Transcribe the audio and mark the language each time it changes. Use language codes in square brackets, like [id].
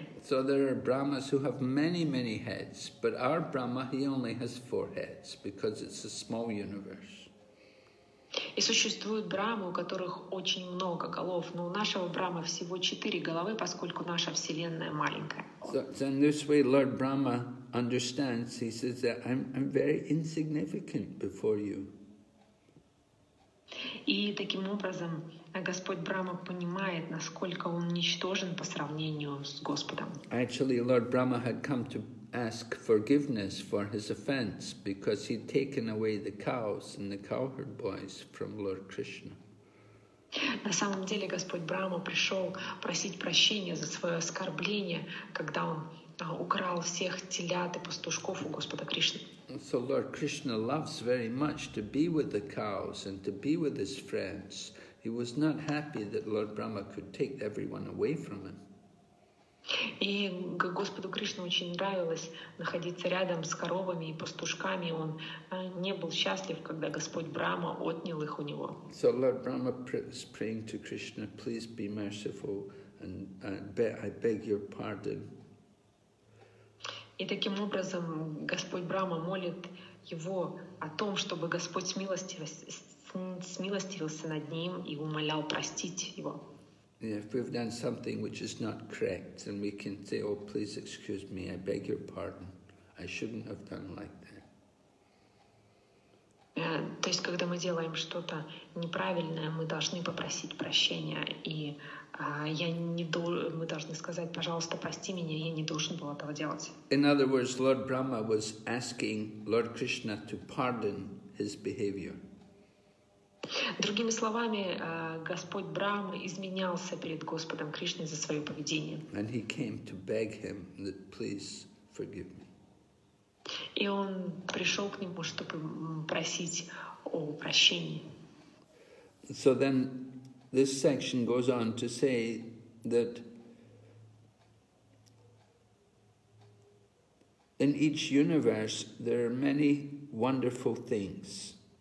[en] So there are Brahmas who have many, many heads, but our Brahma, he only has 4 heads because it's a small universe. [ru] И существуют Брахмы, у которых очень много голов, но у нашего Брахмы всего 4 головы, поскольку наша вселенная маленькая. [en] So in this way, Lord Brahma understands. He says that I'm very insignificant before you. [ru] И таким образом Господь Брахма понимает, насколько он ничтожен по сравнению с Господом. [en] Actually, Lord Brahma had come to ask forgiveness for his offense because he'd taken away the cows and the cowherd boys from Lord Krishna. [ru] На самом деле Господь Брахма пришел просить прощения за свое оскорбление, когда он украл всех телят и пастушков у Господа Кришны. [en] So Lord Krishna loves very much to be with the cows and to be with his friends. He was not happy that Lord Brahma could take everyone away from him. [ru] И Господу Кришне очень нравилось находиться рядом с коровами и пастушками. Он не был счастлив, когда Господь Брама отнял их у него. [en] So Lord Brahma is praying to Krishna, please be merciful and I beg your pardon. [ru] И таким образом Господь Брама молит его о том, чтобы Господь смилостивился над ним и умолял простить его. [en] If we've done something which is not correct, then we can say, oh, please excuse me, I beg your pardon. I shouldn't have done like that. [ru] То есть, когда мы делаем что-то неправильное, мы должны попросить прощения, и мы должны сказать, пожалуйста, прости меня, я не должен был этого делать. [en] In other words, Lord Brahma was asking Lord Krishna to pardon his behavior. [ru] Другими словами, Господь Брама изменялся перед Господом Кришной за свое поведение. [en] And he came to beg him that please forgive me. [ru] И он пришел к нему, чтобы просить о прощении. [en] So then this section goes on to say that in each universe there are many wonderful things.